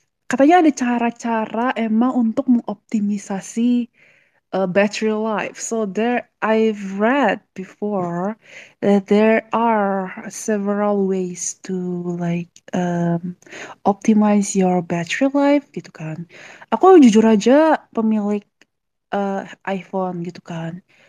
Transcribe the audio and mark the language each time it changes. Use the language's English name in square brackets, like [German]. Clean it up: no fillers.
[Indonesian] Katanya ada cara-cara emang untuk mengoptimisasi [English] battery life. So I've read before that there are several ways to like optimize your battery life [Indonesian] gitu kan. Aku jujur aja pemilik iPhone gitu kan.